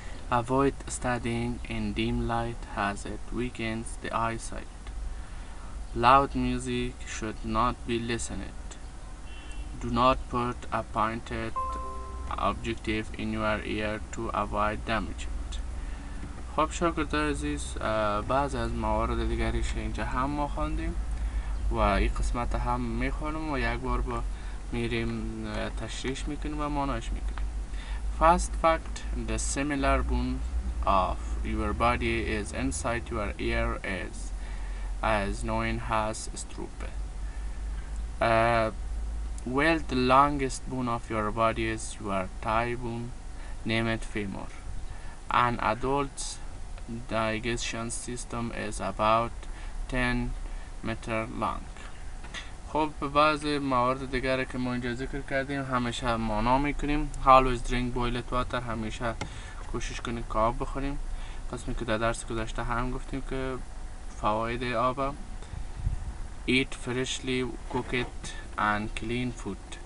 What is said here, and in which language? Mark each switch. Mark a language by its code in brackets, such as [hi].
[en] Avoid studying in dim light as it weakens the eyesight. Loud music should not be listened. Do not put a pointed object in your ear to avoid damage it. [fa] خب شاگردان عزیز، بعض از موارد دیگریش اینجا هم ما خواندیم و این قسمت هم میخونم و یک بار با میریم تشریح میکنیم و معنایش میکنیم. [en] First fact, the similar bone of your body is inside your ear is as known as stroop. Well, the longest bone of your body is your thigh bone, named femur. An adult's digestion system is about 10 meters long. [fa] خب به بعض موارد دیگر که ما اینجا ذکر کردیم همیشه مانا میکنیم. [en] Always drink boiled water. [fa] همیشه کوشش کنیم که آب بخوریم. قسمی که در درس گذشته هم گفتیم که فواید آب. [en] Eat freshly cooked and clean food.